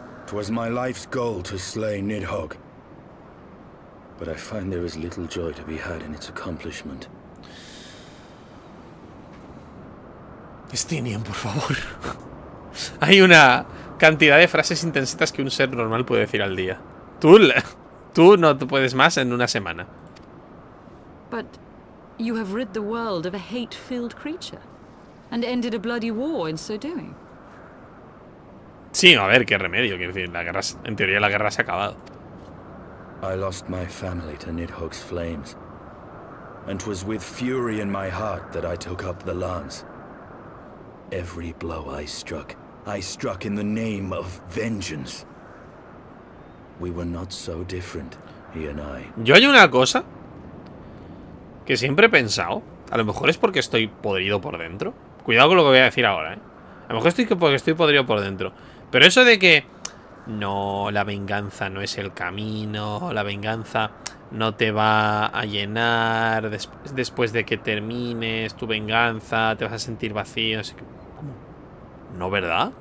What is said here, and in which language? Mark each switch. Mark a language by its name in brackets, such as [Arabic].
[English] It was my life's goal to slay Nidhogg, but I find there is little joy to be had in its accomplishment. [Spanish] Estinien, por favor. Hay una cantidad de frases intensitas que un ser normal puede decir al día. Tú no puedes más en una semana. [English] But you have rid the world of a hate-filled creature and ended a bloody war in so doing. [Spanish] Sí, a ver, qué remedio, quiero decir, en teoría la guerra se ha acabado. [English] I lost my family to Nidhogg's flames. And 'twas with fury in my heart that I took up the lance. Every blow I struck in the name of vengeance. We were not so different, he and I. [Spanish] Yo hay una cosa que siempre he pensado. A lo mejor es porque estoy podrido por dentro. Cuidado con lo que voy a decir ahora, ¿eh? A lo mejor estoy porque estoy podrido por dentro. Pero eso de que no, la venganza no es el camino, la venganza no te va a llenar después de que termines tu venganza, te vas a sentir vacío. No, ¿verdad?